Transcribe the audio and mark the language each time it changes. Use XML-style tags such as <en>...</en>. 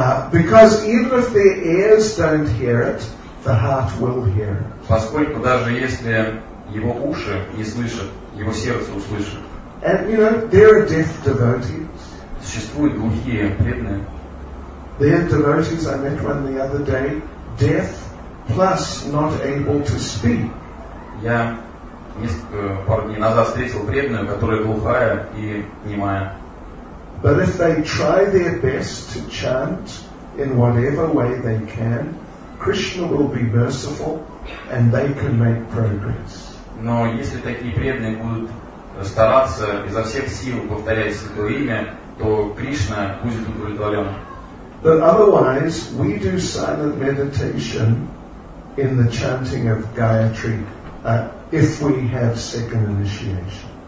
<en>Because even if their ears don't hear it, the heart will hear it.</en> <ru>Поскольку даже если его уши не слышат, его сердце услышит.</ru> <en>And you know, there are deaf devotees.</en> <ru>Существуют глухие преданные.</ru> <en>There are devotees I met one the other day. Deaf plus not able to speak.</en> <ru>Я несколько пару дней назад встретил преданную, которая глухая и немая.</ru> <en>But if they try their best to chant in whatever way they can, Krishna will be merciful and they can make progress.</en> <ru>Но если такие преданные будут стараться изо всех сил повторять Святое Имя, то Кришна будет удовлетворен.</ru> <en>But otherwise, we do silent meditation in the chanting of Gayatri, if we have second initiation.</en>